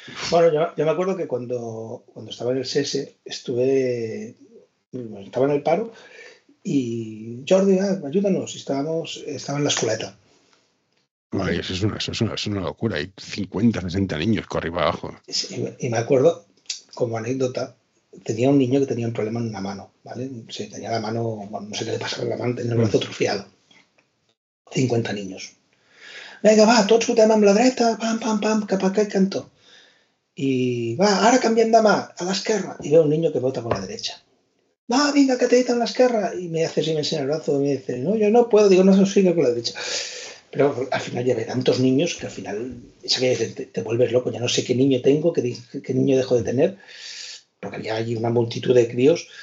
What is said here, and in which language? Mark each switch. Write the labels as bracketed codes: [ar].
[es] Bueno, yo me acuerdo que cuando estaba en el SS, estaba en el paro y Jordi, ayúdanos, estaba en la escueleta. Ay, eso es una locura, hay 50, 60 niños con arriba abajo. Sí, y me acuerdo, como anécdota, tenía un niño que tenía un problema en una mano, ¿vale? Sí, tenía la mano, bueno, no sé qué le pasaba en la mano, tenía el brazo atrofiado. 50 niños. [ca] Venga, va, tots fotem amb la dreta, pam, pam, pam, cap a aquest cantó. [es] Y va, ahora cambian de más, a la izquierda. Y veo un niño que bota por la derecha. Va, venga, que te editan la izquierda. Y me hace así, me enseña el brazo. Y me dice, no, yo no puedo. Digo, no, se sigue por la derecha. Pero al final ya ve tantos niños que al final te vuelves loco. Ya no sé qué niño tengo, qué niño dejo de tener. Porque había allí una multitud de críos.